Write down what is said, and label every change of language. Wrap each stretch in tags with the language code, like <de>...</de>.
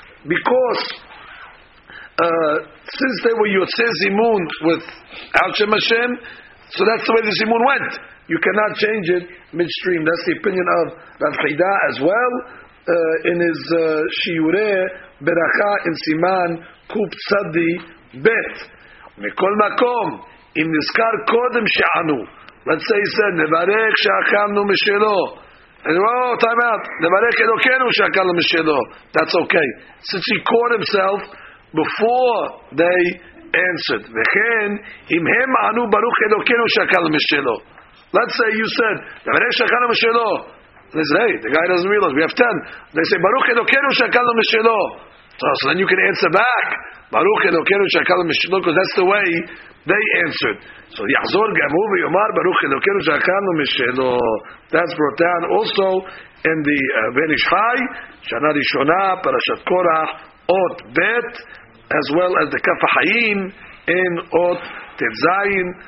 <en>Because since they were Yotze Zimun with Al Shem Hashem, so that's the way the Zimun went. You cannot change it midstream. That's the opinion of Rav Chida as well in his Shiure Beracha in Siman Kup Tzadi Bet.</en> <he>מכל מקום, אם נזכר קודם שענו,</he> <en>let's say he said,</en> <he>נברך שאכלנו משלו.</he> <en>And he said, oh, time out.</en> <he>נברך אלוקנו שאכלנו משלו.</he> <en>That's okay. Since he caught himself before they answered.</en> <he>וכן, אם הם ענו ברוך אלוקנו שאכלנו משלו.</he> <en>Let's say you said,</en> <he>נברך שאכלנו משלו.</he> <en>They said, hey, the guy doesn't realize, we have 10. They say,</en> <he>ברוך אלוקנו שאכלנו משלו.</he> <en>So then you can answer back.</en> <he>Baruch Elokeinu she'achalnu mishelo,</he> <en>because that's the way they answered. So</en> <he>Yahzor Gamu v'yomar Baruch Elokeinu she'achalnu mishelo.</he> <en>That's brought down also in the Benish Chai, Shana Rishona, Parashat Korach, Ot Bet, as well as the Kaf HaChayim in Ot Tetzayin.</en>